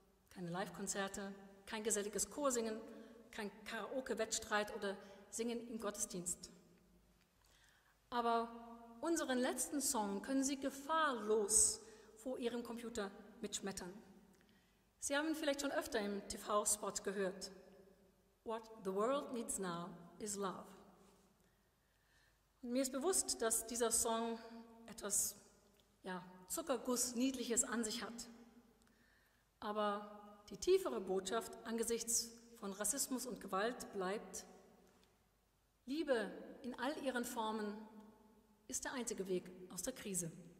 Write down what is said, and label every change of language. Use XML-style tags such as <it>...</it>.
<de>Keine Live-Konzerte, kein geselliges Chorsingen, kein Karaoke-Wettstreit oder Singen im Gottesdienst. Aber unseren letzten Song können Sie gefahrlos vor Ihrem Computer mitschmettern. Sie haben ihn vielleicht schon öfter im TV-Spot gehört.</de> <en>What the world needs now is love.</en> <de>Und mir ist bewusst, dass dieser Song etwas Zuckerguss-Niedliches an sich hat. Aber die tiefere Botschaft angesichts von Rassismus und Gewalt bleibt: Liebe in all ihren Formen ist der einzige Weg aus der Krise.</de>